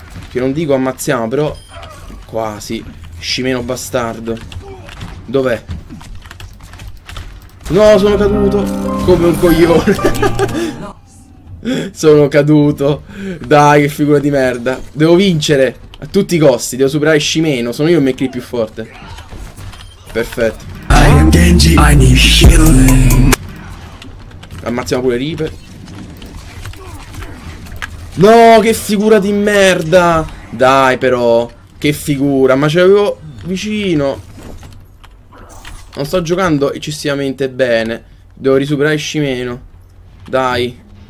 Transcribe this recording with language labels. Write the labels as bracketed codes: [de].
[it] Che non dico ammazziamo, però quasi. Scimeno bastardo. Dov'è? No, sono caduto come un coglione. Sono caduto. Dai, che figura di merda. Devo vincere a tutti i costi. Devo superare Scimeno. Sono io il McCree più forte. Perfetto. [en] I am Genji, I need healing. [it] Ammazziamo pure Reaper. No, che figura di merda. Dai però, che figura. Ma ce l'avevo vicino. Non sto giocando eccessivamente bene. Devo risuperare Scimeno. Dai.